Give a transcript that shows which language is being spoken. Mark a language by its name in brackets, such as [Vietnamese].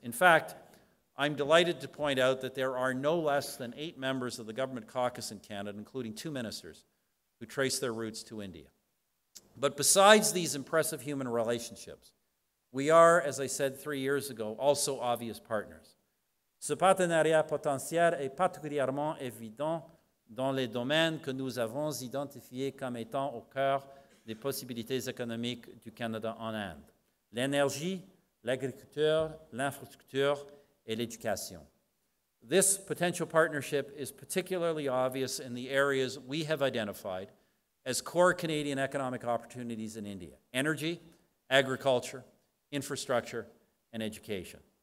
[English] In fact, I'm delighted to point out that there are no less than 8 members of the government caucus in Canada, including 2 ministers, who trace their roots to India. But besides these impressive human relationships, we are, as I said 3 years ago, also obvious partners. [French] Ce partenariat potentiel est particulièrement évident dans les domaines que nous avons identifiés comme étant au cœur des possibilités économiques du Canada en Inde. L'énergie, l'agriculture, l'infrastructure et l'éducation. [English] This potential partnership is particularly obvious in the areas we have identified as core Canadian economic opportunities in India: energy, agriculture, infrastructure, and education.